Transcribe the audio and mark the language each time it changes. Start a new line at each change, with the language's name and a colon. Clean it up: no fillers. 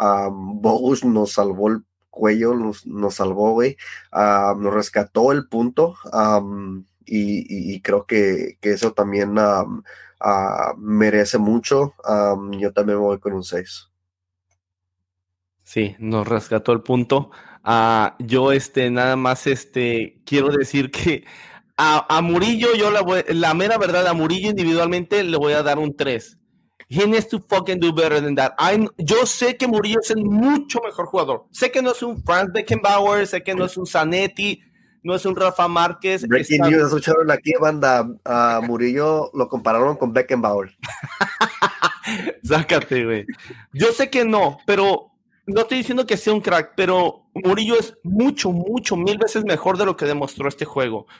Spanish: Bogus nos salvó el cuello, nos salvó, güey, nos rescató el punto, y creo que eso también merece mucho. Yo también voy con un 6. Sí, nos rescató el punto. Yo nada más quiero decir que a Murillo, yo la mera verdad, a Murillo individualmente le voy a dar un 3.
English: He needs to fucking do better than that.
Spanish: Yo sé que Murillo es el mucho mejor jugador. Sé que no es un Franz Beckenbauer, sé que no es un Zanetti, no es un Rafa Márquez. Breaking news, escucharon aquí, banda. Murillo lo compararon con Beckenbauer. Sácate, güey. Yo sé que no, pero no estoy diciendo que sea un crack, pero Murillo es mucho, mucho, mil veces mejor de lo que demostró este juego.